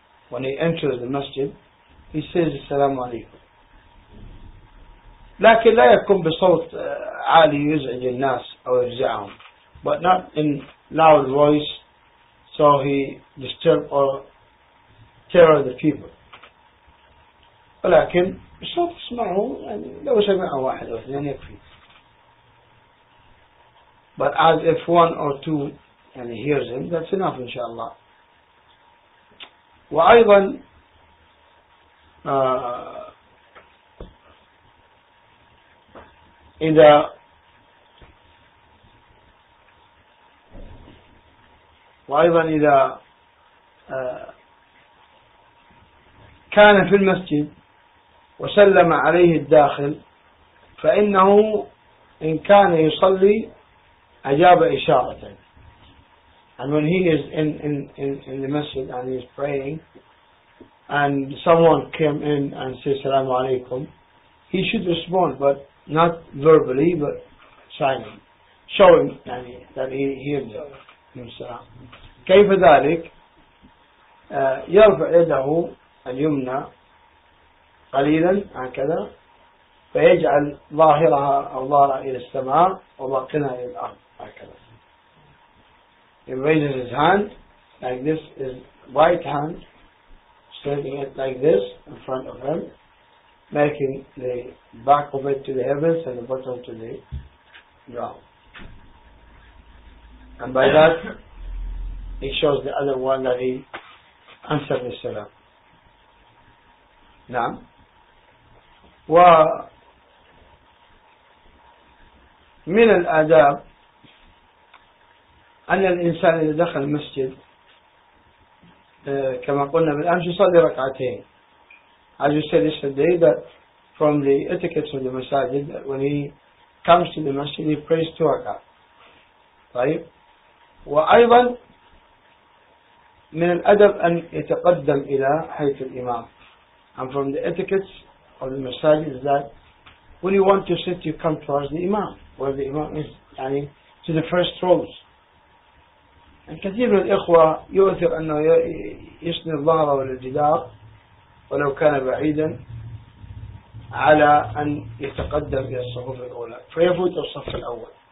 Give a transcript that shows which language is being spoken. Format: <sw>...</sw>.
<en>When he enters the masjid, he says</en> <ar>السلام عليكم. لكن لا يكون بصوت عالي يزعج الناس أو يفزعهم,</ar> <en>but not in loud voice So he disturbed or terror the people.</en> <ar>ولكن بشرط تسمعه يعني لو سمعه واحد أو اثنين يكفي.</ar> <en>But as if one or two يعني hears him, that's enough</en> <ar>إن شاء الله. وأيضا إذا وأيضا إذا كان في المسجد وسلم عليه الداخل فإنه إن كان يصلي أجاب إشارة.</ar> <en>And when he is in the masjid and he is praying and someone came in and says salamu alaykum, he should respond, but not verbally, but signing, showing يعني, that he hears him salam.</en> <ar>كيف ذلك يرفع يده اليمنى قليلا هكذا فيجعل ظاهرها الله إلى السماء وباقنا إلى الأرض هكذا.</ar> <en>He raises his hand like this, his right hand, standing it like this in front of him, making the back of it to the heavens and the bottom to the ground. And by that, he shows the other one that he answered the salam. Now,</en> <ar>ومن الآداب أن الإنسان إذا دخل المسجد كما قلنا بالأمس يصلي ركعتين.</ar> <en>As you said yesterday, that from the etiquette of the masajid, when he comes to the masjid, he prays two rak'ah.</en> <ar>طيب. وأيضا من الأدب أن يتقدم إلى حيث الإمام.</ar> <en>And from the etiquette of the masajid is that when you want to sit, you come towards the imam, where the imam is, يعني to the first rows.</en> <ar>الكثير من الإخوة يؤثر أنه يسند ظهره للجدار ولو كان بعيدا على أن يتقدم إلى الصفوف الأولى فيفوت الصف الأول.</ar>